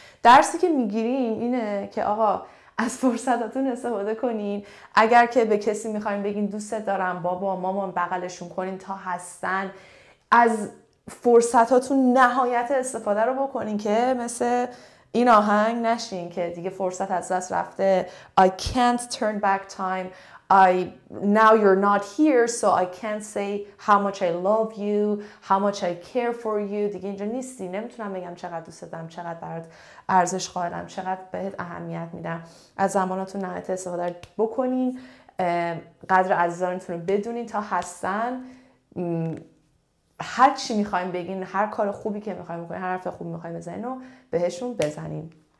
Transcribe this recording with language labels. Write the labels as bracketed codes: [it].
[fa] درسی که میگیریم اینه که آقا از فرصتاتون استفاده کنین. اگر که به کسی میخواین بگین دوستت دارم، بابا مامان، بغلشون کنین تا هستن. از فرصتاتون نهایت استفاده رو بکنین که مثل این آهنگ نشین که دیگه فرصت از دست رفته. [en] I can't turn back time. Now you're not here, so I can't say how much I love you, how much I care for you. [fa] دیگه اینجا نیستی، نمیتونم بگم چقدر دوست دارم، چقدر برات ارزش قائلم، چقدر بهت اهمیت میدم. از زمانتون نهایت استفاده بکنین، قدر عزیزانتون رو بدونین تا هستن. هر چی میخواییم بگین، هر کار خوبی که میخواییم بکنین، هر حرف خوب میخواییم بزنین و بهشون بزنین.